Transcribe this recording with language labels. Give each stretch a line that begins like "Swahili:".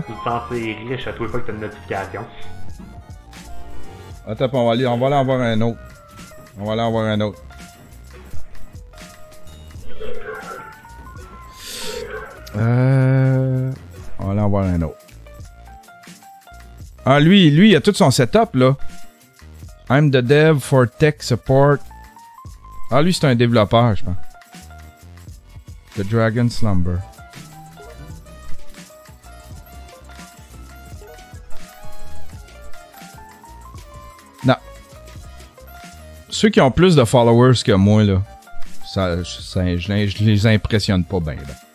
French: Tu t'en fais riche à tous les fois que t'as une notification. Attends, on va aller en voir un autre. On va aller en voir un autre. On va aller en voir un autre. Ah, lui, il a tout son setup, là.
English: I'm the dev for tech support.
French: Ah, lui, c'est un développeur, je pense. The Dragon Slumber. Non. Ceux qui ont plus de followers que moi, là, ça je les impressionne pas bien, là.